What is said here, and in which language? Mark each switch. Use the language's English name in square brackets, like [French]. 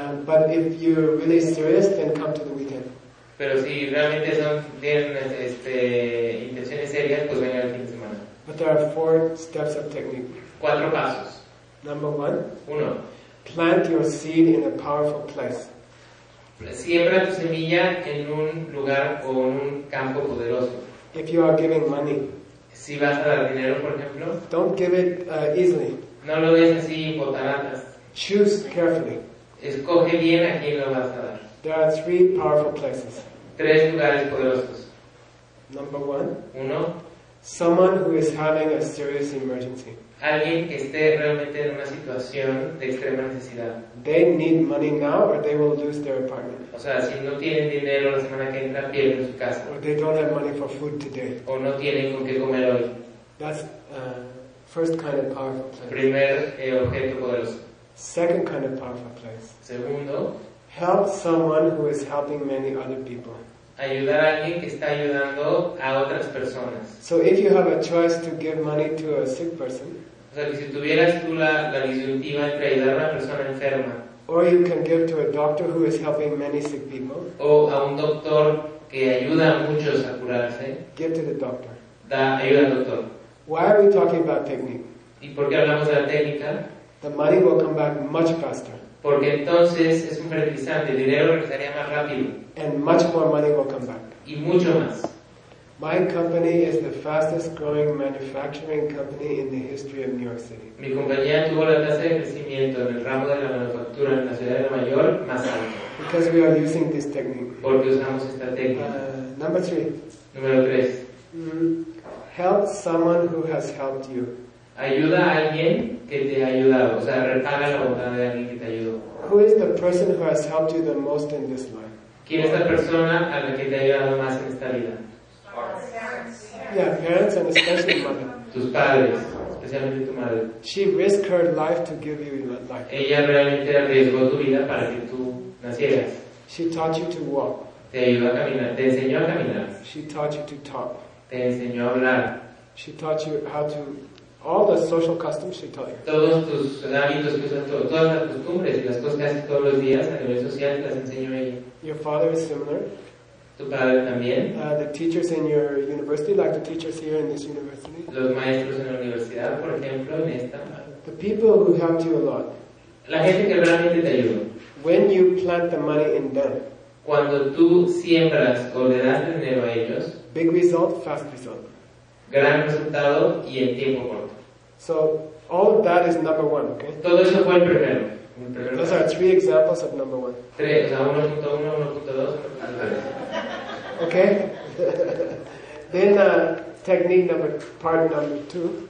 [English] But if you're really serious, then come to the weekend. [Spanish] Pero si realmente tienen intenciones serias, pues vengan el fin de semana. [English] But there are 4 steps of technique. [Spanish] 4 pasos. [English] Number one. [Spanish] Uno. [English] Plant your seed in a powerful place. [Spanish] Siembra tu semilla en un lugar o en un campo poderoso. [English] If you are giving money. [Spanish] Si vas a dar dinero, por ejemplo. [English] Don't give it easily. [Spanish] No lo des así botanatas. [English] Choose carefully. [Spanish] Escoge bien a quién lo vas a dar. [English] There are 3 powerful places. [Spanish] 3 lugares poderosos. [English] Number one. [Spanish] Uno. [English] Someone who is having a serious emergency. [Spanish] Alguien que esté realmente en una situación de extrema necesidad. [English] They need money now or they will lose their apartment. [Spanish] O sea, si no tienen dinero la semana que entra, pierden su casa. [English] Or they don't have money for food today. [Spanish] O no tienen con qué comer hoy. [English] That's first kind of powerful place. [Spanish] Primer objeto poderoso. [English] Second kind of powerful place. [Spanish] Segundo. [English] Help someone who is helping many other people. [Spanish] Ayudar a alguien que está ayudando a otras personas. [English] So if you have a choice to give money to a sick person, [Spanish] o sea, si tuvieras tú la disyuntiva entre ayudar a una persona enferma, [English] or you can give to a doctor who is helping many sick people, [Spanish] o a un doctor que ayuda a muchos a curarse, [English] give to the doctor. [Spanish] Ayuda al doctor. [English] Why are we talking about technique? [Spanish] ¿Y por qué hablamos de la técnica? [English] The money will come back much faster. [Spanish] Porque entonces es un fertilizante, el dinero regresaría más rápido. [English] And much more money will come back. [Spanish] Y mucho más. [English] My company is the fastest growing manufacturing company in the history of New York City. [Spanish] Mi compañía tuvo la tasa de crecimiento en el ramo de la manufactura en la ciudad de Nueva York más alta. [English] Because we are using this technique. [Spanish] Porque usamos esta técnica. [English] Number three. [Spanish] Número tres. [English] Help someone who has helped you. [Spanish] Ayuda a alguien que te ha ayudado. O sea, repaga la bondad de alguien que te ayudó. [English] Who is the person who has helped you the most in this life? [Spanish] ¿Quién es la persona a la que te ha ayudado más en esta vida? [English] Yeah, parents and especially mother. [Spanish] Tus padres, especialmente tu madre. [English] She risked her life to give you life. [Spanish] Ella realmente arriesgó tu vida para que tú nacieras. [English] She taught you to walk. [Spanish] Te ayudó a caminar, te enseñó a caminar. [English] She taught you to talk. [Spanish] Te enseñó a hablar. [English] She taught you how to all the social customs she taught you. [Spanish] Todos tus hábitos, todas las costumbres y las cosas que haces todos los días a nivel social las enseñó ella. [English] Your father is similar. [Spanish] Tu padre también. [English] The teachers in your university, like the teachers here in this university. [Spanish] Los maestros en la universidad, por ejemplo, en esta. [English] The people who helped you a lot. [Spanish] La gente que realmente te ayudó. [English] When you plant the money in them. [Spanish] Cuando tú siembras o le das dinero a ellos. [English] Big result, fast result. [Spanish] Gran resultado y en tiempo corto. [English] So all of that is number one, okay? [Spanish] Todo eso fue el primero. [English] Those are three examples of number one. [Spanish] Tres, o sea, 1.1, 1.2, al revés. [English] Okay. Then technique number part number two.